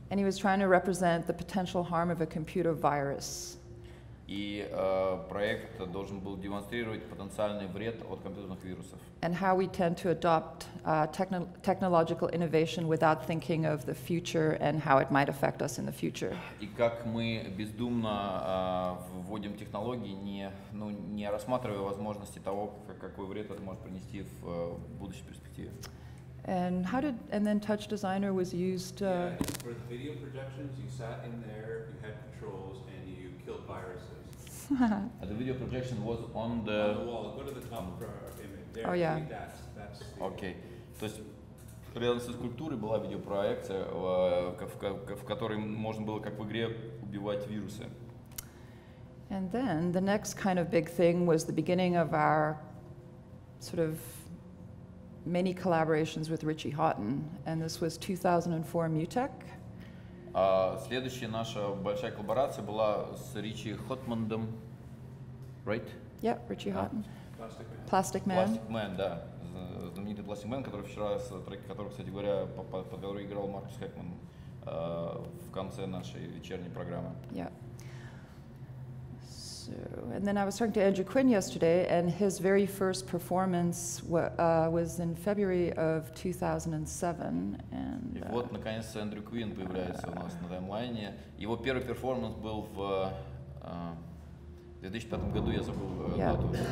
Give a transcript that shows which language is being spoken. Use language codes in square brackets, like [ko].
[en] And he was trying to represent the potential harm of a computer virus. [ru] И проект должен был демонстрировать потенциальный вред от компьютерных вирусов. [en] And how we tend to adopt technological innovation without thinking of the future and how it might affect us in the future. [ru] И как мы бездумно вводим технологии, не рассматривая возможности того, какой вред это может принести в будущей перспективе. [en] And how did and then TouchDesigner was used For the video projections, you sat in there, you had controls, and you killed viruses. The video projection was on the wall. Go to the top of our image. There, oh, yeah. Okay. [ru] То есть рядом со скульптурой была видеопроекция, в которой можно было, как в игре, убивать вирусы. [en] And then the next kind of big thing was the beginning of our sort of many collaborations with Richie Houghton, and this was 2004 Mutech. [ru] Следующая наша большая коллаборация была с Ричи Хотмандом, [en] right? Yeah, [ru] Ричи Хотман. [en] Plastic Man. [ru] Plastic Man, да. Знаменитый Plastic Man, который вчера, с треки которого, кстати говоря, по которой играл Маркус Хэкман в конце нашей вечерней программы. [en] Yeah. So, and then I was talking to Andrew Quinn yesterday, and his very first performance was in February of 2007. [ru] И вот, наконец-то, Эндрю Квин появляется у нас на таймлайне. Его первый перформанс был в 2005 году, я забыл дату.